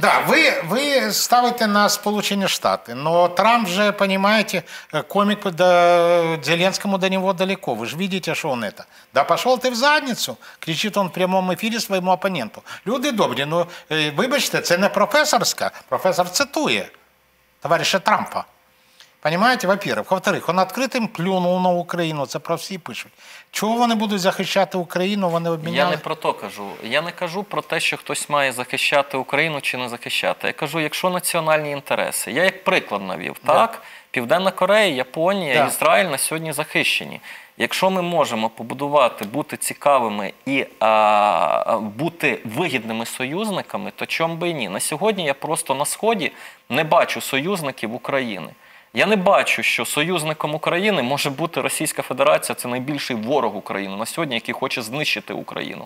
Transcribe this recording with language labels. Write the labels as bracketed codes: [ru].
[uk] Да, ви ставите на Сполучені Штати, но Трамп же, понимаете, комік Зеленському до нього далеко. Ви ж бачите, що він это. [ru] Да пошел ти в задницу, [uk] кричить він в прямому ефірі своєму опоненту. Люди добрі, ну, вибачте, це не професорська. Професор цитує товариша Трампа. [ru] Понимаете, во-первых. Во-вторых, он открытым плюнул на Украину, это про все пишут. Чего они будут защищать Украину, они обменяли? Я не про то кажу. Я не кажу про то, что кто-то должен защищать Украину или не защищать. Я кажу, если национальные интересы. Я как пример навел. Да. Так, Південна Корея, Япония, да. Израиль на сегодня защищены. [uk] Якщо ми можемо побудувати, бути цікавими і бути вигідними союзниками, то чому би і ні? На сьогодні я просто на Сході не бачу союзників України. Я не бачу, що союзником України може бути Російська Федерація, це найбільший ворог України на сьогодні, який хоче знищити Україну.